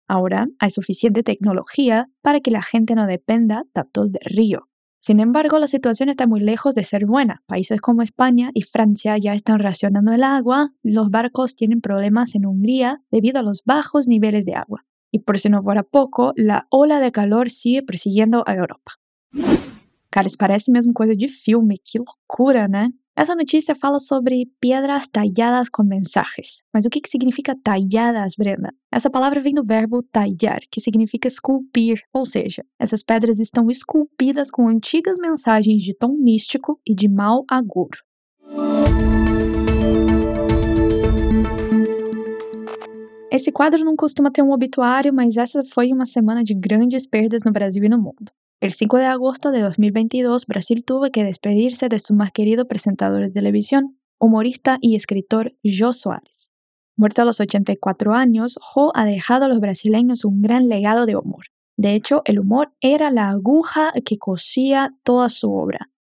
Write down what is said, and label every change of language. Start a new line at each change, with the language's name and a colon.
Spanish: Ahora hay suficiente tecnología para que la gente no dependa tanto del río. Sin embargo, la situación está muy lejos de ser buena. Países como España y Francia ya están racionando el agua, los barcos tienen problemas en Hungría debido a los bajos niveles de agua. Y por si no fuera poco, la ola de calor sigue persiguiendo a Europa.
Portuguese: Carlos, parece mesmo coisa de filme, que loucura, né? Essa notícia fala sobre piedras talladas com mensagens. Mas o que significa talladas, Brenda? Essa palavra vem do verbo tallar, que significa esculpir. Ou seja, essas pedras estão esculpidas com antigas mensagens de tom místico e de mau agouro. Esse quadro não costuma ter um obituário, mas essa foi uma semana de grandes perdas no Brasil e no mundo.
Spanish: El 5 de agosto de 2022, Brasil tuvo que despedirse de su más querido presentador de televisión, humorista y escritor Jô Soares. Muerto a los 84 años, Jô ha dejado a los brasileños un gran legado de humor. De hecho, el humor era la aguja que cosía toda su obra.